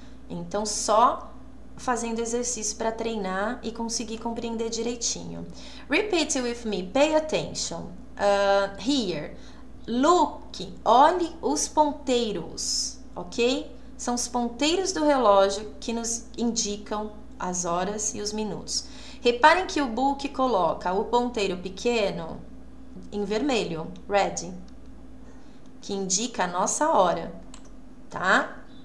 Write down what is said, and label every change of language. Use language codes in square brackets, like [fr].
[pt] Então só fazendo exercício para treinar e conseguir compreender direitinho. [en] Repeat with me, pay attention. Here, look, [pt] olhe os ponteiros, ok? São os ponteiros do relógio que nos indicam as horas e os minutos. Reparem que o book coloca o ponteiro pequeno em vermelho, red, que indica a nossa hora, tá?